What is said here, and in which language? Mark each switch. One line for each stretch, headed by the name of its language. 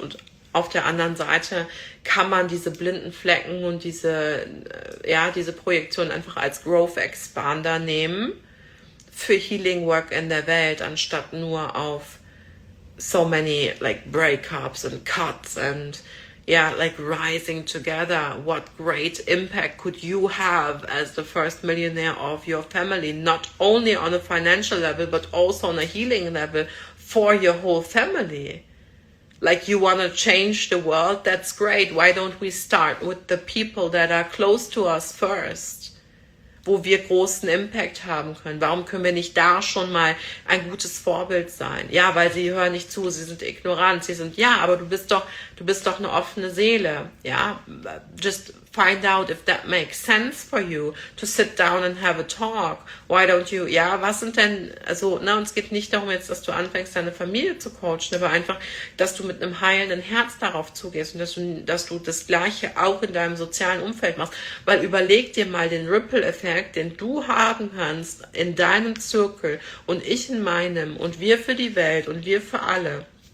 German: Und auf der anderen Seite kann man diese blinden Flecken und diese, ja, diese Projektion einfach als Growth Expander nehmen für Healing Work in der Welt, anstatt nur auf
English: so many like Breakups and Cuts and, yeah, like rising together. What great impact could you have as the first millionaire of your family, not only on a financial level, but also on a healing level for your whole family? Like, you want to change the world? That's great. Why don't we start with the people that are close to us first,
German: wo wir großen Impact haben können? Warum können wir nicht da schon mal ein gutes Vorbild sein? Ja, weil sie hören nicht zu, sie sind ignorant, sie sind, ja, aber du bist doch eine offene Seele, ja?
English: Just find out if that makes sense for you to sit down and have a talk. Why don't you,
German: ja, was sind denn, also, na, und es geht nicht darum jetzt, dass du anfängst, deine Familie zu coachen, aber einfach, dass du mit einem heilenden Herz darauf zugehst und dass du das Gleiche auch in deinem sozialen Umfeld machst. Weil überleg dir mal den Ripple-Effekt, den du haben kannst in deinem Zirkel und ich in meinem und wir für die Welt und wir für alle.